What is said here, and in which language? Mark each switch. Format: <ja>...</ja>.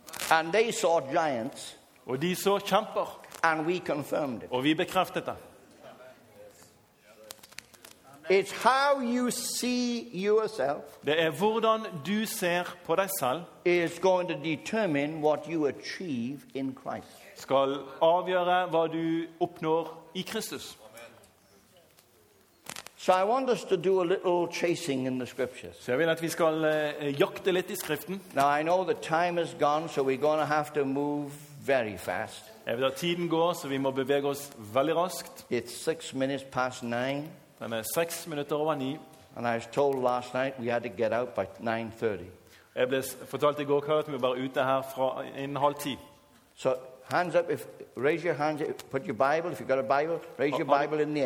<en>And they saw giants.</en> <no>Og de så kjemper.</no> <en>And we confirmed it.</en> <no>Og vi bekreftet det.</no> <en>It's how you see yourself.</en> <no>Det hvordan du ser på deg selv.</no> <en>Is going to determine what you achieve in Christ.</en> <no>Skal avgjøre hva du oppnår I Kristus.</no> <en>So I want us to do a little chasing in the scriptures.</en> <no>Så jeg vil at vi skal jakte litt I skriften.</no> <en>Now I know the time is gone, so we're going to have to move very fast.</en> <no>Jeg vet at tiden går, så vi må bevege oss veldig raskt.</no> <en>It's 9:06.</en> <no>Den 6 minutter over 9.</no> <en>And I was told last night we had to get out by 9:30.</en> <no>Jeg ble fortalt i går kveld at vi var ute her fra en halv ti.</no> <en>So hands up, if raise your hands, put your Bible. If you've got a Bible, raise your Bible in the air.</en>